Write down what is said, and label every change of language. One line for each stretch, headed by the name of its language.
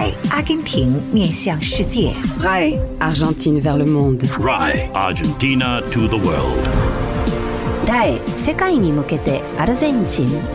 French: RAE, Argentine vers le monde.
English: RAE, Argentina to the world.
Japanese: RAE, 世界に向けて Argentine.